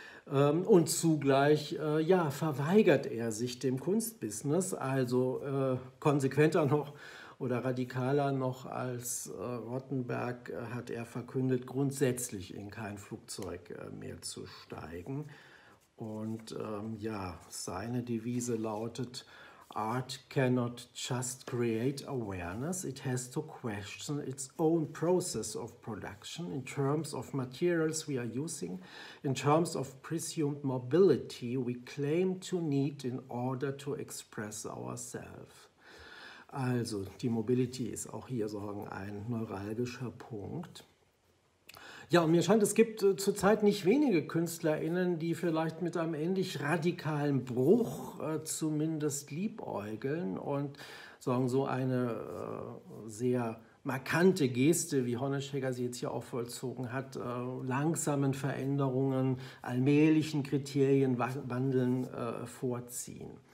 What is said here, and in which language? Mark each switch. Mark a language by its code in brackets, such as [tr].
[de] Und zugleich ja, verweigert er sich dem Kunstbusiness, also konsequenter noch oder radikaler noch als Rottenberg hat er verkündet, grundsätzlich in kein Flugzeug mehr zu steigen. Und ja, seine Devise lautet: [en] Art cannot just create awareness, it has to question its own process of production in terms of materials we are using, in terms of presumed mobility we claim to need in order to express ourselves. [de] Also, die Mobility ist auch hier sozusagen ein neuralgischer Punkt. Ja, und mir scheint, es gibt zurzeit nicht wenige KünstlerInnen, die vielleicht mit einem ähnlich radikalen Bruch zumindest liebäugeln und sagen, so eine sehr markante Geste, wie Honnescheger sie jetzt hier auch vollzogen hat, langsamen Veränderungen, allmählichen Kriterien, Wandeln vorziehen.